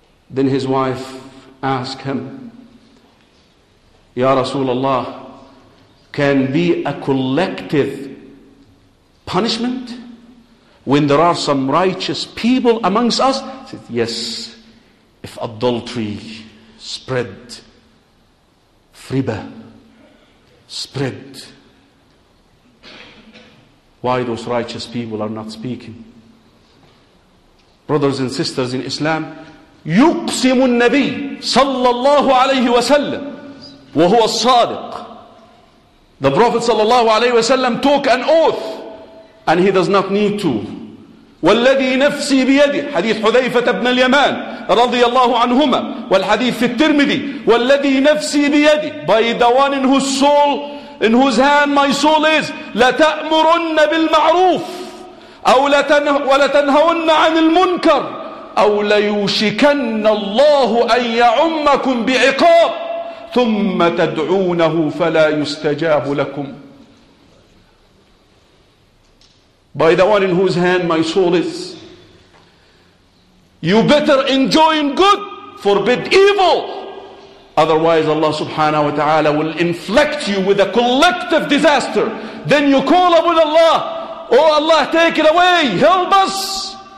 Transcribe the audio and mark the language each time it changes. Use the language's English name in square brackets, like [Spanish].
[English] Then his wife ask him, Ya Rasulullah, can be a collective punishment when there are some righteous people amongst us? He said, yes, if adultery spread, riba spread, why those righteous people are not speaking? Brothers and sisters in Islam, [Arabic] يقسم النبي صلى الله عليه وسلم وهو الصادق. [English] The Prophet [Arabic] صلى الله عليه وسلم [English] took an oath, and he does not need to. [Arabic] والذي نفسي بيده, حديث حذيفة بن اليمان رضي الله عنهما, والحديث في الترمذي, والذي نفسي بيده, [English] by the one in whose soul, in whose hand my soul is, [Arabic] لتأمرن بالمعروف أو ولتنهون عن المنكر أو ليوشكن الله أن يعمكم بعقاب ثم تدعونه فلا يستجاب لكم. [English] By the one in whose hand my soul is, you better enjoin good, forbid evil. Otherwise Allah subhanahu wa ta'ala will inflict you with a collective disaster. Then you call upon Allah, oh Allah, take it away, help us.